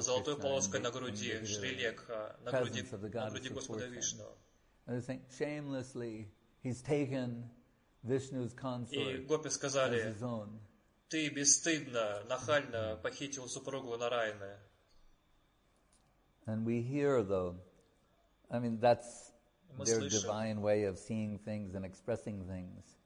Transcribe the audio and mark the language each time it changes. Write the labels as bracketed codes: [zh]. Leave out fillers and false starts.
[ru] золотой полоской на груди Шри Лекха, на груди Господа Вишну. [en] And they're saying shamelessly he's taken Vishnu's consort. [ru] И гопи сказали: ты бесстыдно, нахально похитил супругу Нараяны. [en] And we hear, though, I mean, that's their divine way of seeing things and expressing things.